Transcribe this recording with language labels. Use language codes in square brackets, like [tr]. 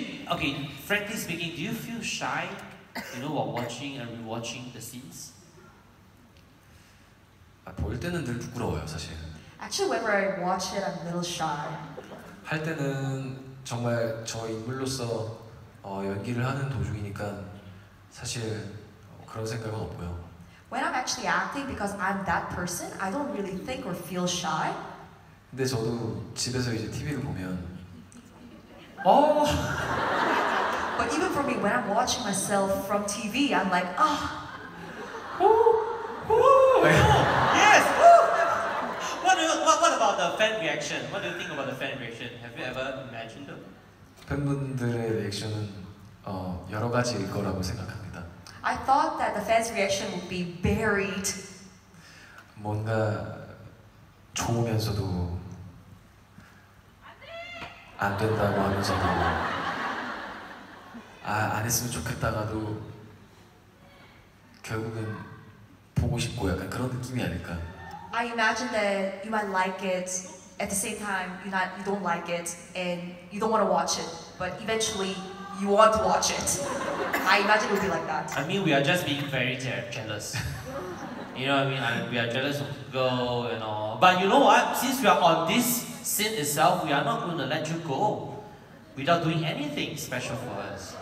[en] Okay, frankly speaking, do you feel shy, you know, while watching and rewatching the scenes? [ko] 아, 볼 때는 늘 부끄러워요, 사실. [en] Actually, whenever I watch it, I'm a little shy. [ko] 할 때는 정말 저 인물로서 연기를 하는 도중이니까 사실 그런 생각은 없고요. [en] When I'm actually acting because I'm that person, I don't really think or feel shy. [ko] 근데 저도 집에서 이제 TV를 보면 [en] But even for me, when I'm watching myself from TV, I'm like, ah! Oh. Yes! What about the fan reaction? What do you think about the fan reaction? Have you ever imagined them? [ko] 팬분들의 리액션은 여러 가지일 거라고 생각합니다. [en] I thought that the fans' reaction would be varied. [ko] 뭔가 좋으면서도 안 된다고 하면서도 아, 안 했으면 좋겠다가도 결국은 보고 싶고 약간 그런 느낌이 아닐까. [en] I imagine that you might like it. At the same time, you don't like it, and you don't want to watch it, but eventually, you want to watch it. I imagine it would be like that. I mean, we are just being very jealous. You know what I mean? We are jealous of the girl and all. But you know what? Since we are on this scene itself, we are not going to let you go without doing anything special for us.